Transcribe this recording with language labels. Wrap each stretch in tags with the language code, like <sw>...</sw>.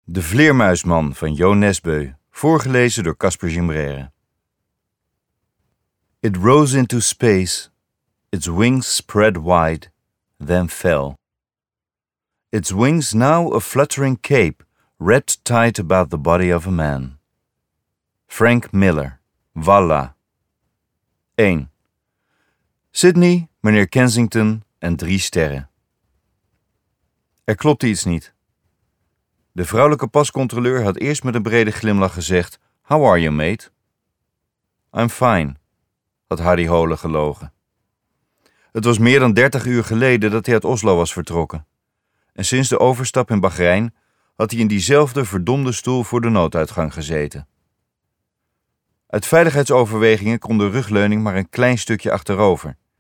<nl>De Vleermuisman van Jo Nesbø, voorgelezen door Casper Gimbrere.</nl> <en>It rose into space, its wings spread wide, then fell. Its wings now a fluttering cape, wrapped tight about the body of a man. Frank Miller, Valla. 1.</en> <nl>Sydney, meneer Kensington en 3 sterren. Er klopte iets niet. De vrouwelijke pascontroleur had eerst met een brede glimlach gezegd:</nl> <en>How are you, mate? I'm fine,</en> <nl>had Harry Hole gelogen. Het was meer dan 30 uur geleden dat hij uit Oslo was vertrokken. En sinds de overstap in Bahrein had hij in diezelfde verdomde stoel voor de nooduitgang gezeten. Uit veiligheidsoverwegingen kon de rugleuning maar een klein stukje achterover.</nl>